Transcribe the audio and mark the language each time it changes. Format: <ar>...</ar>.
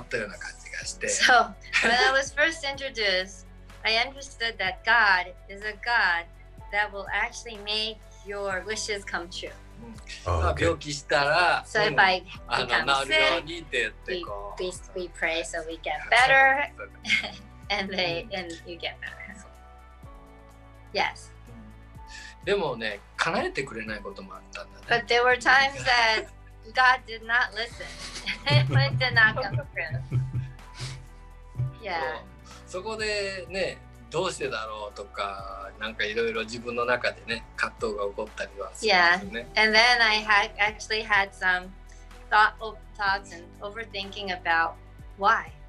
<en>when I was first introduced, I understood that God is a God that will actually make your wishes come true. So if I become sick, we pray so we get better, and you get better. Yes.</en> <ja>でもね、叶えてくれないこともあったんだね。</ja> <en>But there were times that God did not listen. It did not come true. Yeah.</en> <ja>そこでね、どうしてだろうとか、なんかいろいろ自分の中でね、葛藤が起こったりはするんですね。</ja> <en>Yeah. And then I had actually had some thoughts and overthinking about why.</en>